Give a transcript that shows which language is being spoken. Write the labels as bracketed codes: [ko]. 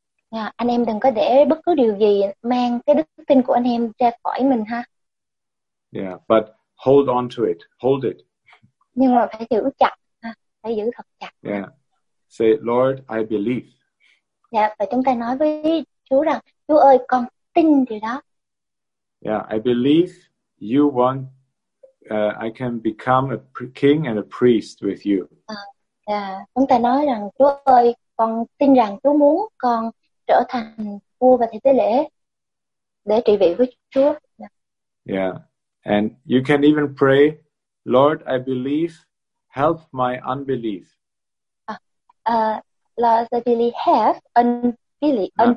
[vi] Yeah, anh em đừng có để bất cứ điều gì mang cái đức tin của anh em ra khỏi mình ha. [en] Yeah, but hold on to it. Hold it. [vi] Nhưng mà phải giữ chặt ha, phải giữ thật chặt. [en] Yeah. Say, Lord, I believe. [vi] Yeah, và chúng ta nói với Chúa rằng, Chúa ơi, con tin điều đó. [en] Yeah, I believe you want I can become a king and a priest with you. [vi] Chúng ta nói rằng Chúa ơi, con tin rằng Chúa muốn con trở thành vua và thầy tế lễ để trị vì với Chúa. [en] Yeah. And you can even pray, Lord, I believe, help my unbelief. Lord, I believe have unbelief.